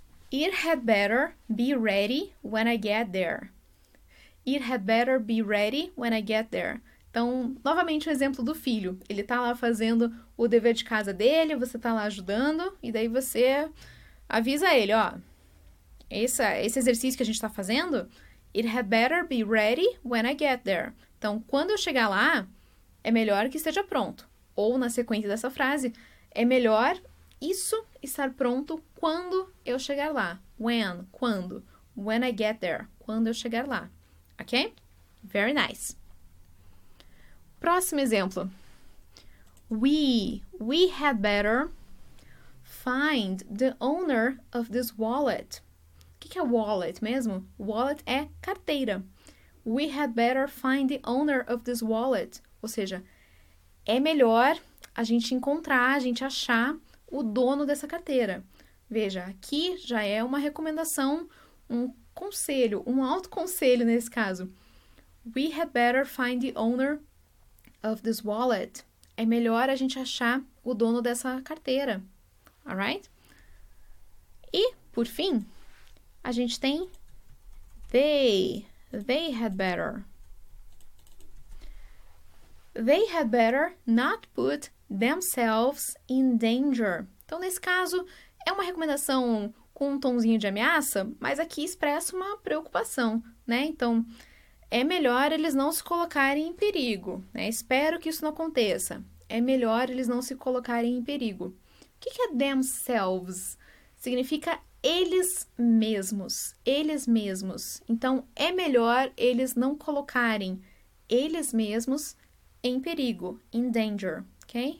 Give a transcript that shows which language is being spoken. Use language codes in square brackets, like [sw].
[en] It had better be ready when I get there. It had better be ready when I get there. [pt] Então, novamente o exemplo do filho. Ele tá lá fazendo o dever de casa dele, você tá lá ajudando, e daí você... Avisa ele, ó, esse exercício que a gente tá fazendo, [en] it had better be ready when I get there. [pt] Então, quando eu chegar lá, é melhor que esteja pronto. Ou, na sequência dessa frase, é melhor isso estar pronto quando eu chegar lá. [en] When, [pt] quando, [en] when I get there, [pt] quando eu chegar lá. [en] Ok? Very nice. [pt] Próximo exemplo. [en] We had better... Find the owner of this wallet. [pt] O que é wallet mesmo? Wallet é carteira. [en] We had better find the owner of this wallet. [pt] Ou seja, é melhor a gente encontrar, a gente achar o dono dessa carteira. Veja, aqui já é uma recomendação, um conselho, um autoconselho nesse caso. [en] We had better find the owner of this wallet. [pt] É melhor a gente achar o dono dessa carteira. [en] Alright? [pt] E, por fim, a gente tem [en] they had better. They had better not put themselves in danger. [pt] Então, nesse caso, é uma recomendação com um tonzinho de ameaça, mas aqui expressa uma preocupação, né? Então, é melhor eles não se colocarem em perigo, né? Espero que isso não aconteça. É melhor eles não se colocarem em perigo. O que é themselves? Significa eles mesmos, então é melhor eles não colocarem eles mesmos em perigo, [en] in danger, ok?